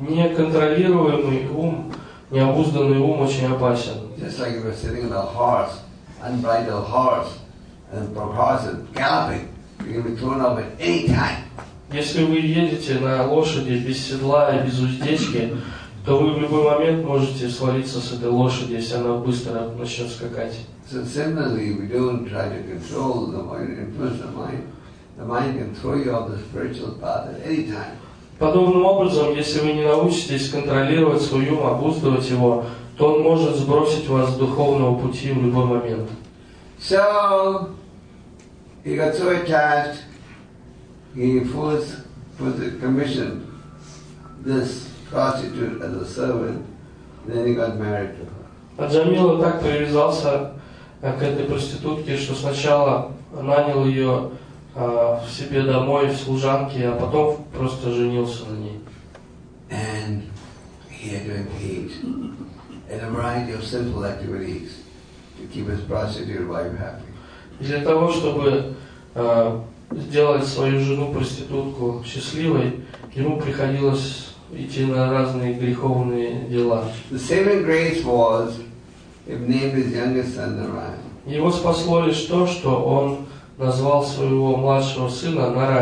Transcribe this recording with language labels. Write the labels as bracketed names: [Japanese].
[Russian] Неконтролируемый ум, необузданный ум очень опасен. [English] Just like if you're sitting on a horse, unbridled horse, and the horse is galloping, you can be thrown off at any time. [Russian] Если вы едете на лошади без седла и без уздечки, то вы в любой момент можете свалиться с этой лошади, если она быстро начнет скакать. [English] So similarly, we don't try to control the mind, influence the mind. The mind can throw you off the spiritual path at any time. [Russian] Подобным образом, если вы не научитесь контролировать свой ум, обуздывать его, то он может сбросить вас с духовного пути в любой момент. [English] So he got so attached, he commissioned this prostitute as a servant. Then he got married to her. [Russian] Аджамила так привязался к этой проститутке, что сначала нанял ее в себе домой, в служанке, а потом просто женился на ней. [English] And he had to engage in a variety of simple activities to keep his prostitute wife happy. [Russian] Для того, чтобы сделать свою жену-проститутку счастливой, ему приходилось идти на разные греховные дела. [English] The saving grace was if named his youngest son Narayan. [Russian] Его спасло лишь то, что он назвал своего младшего сына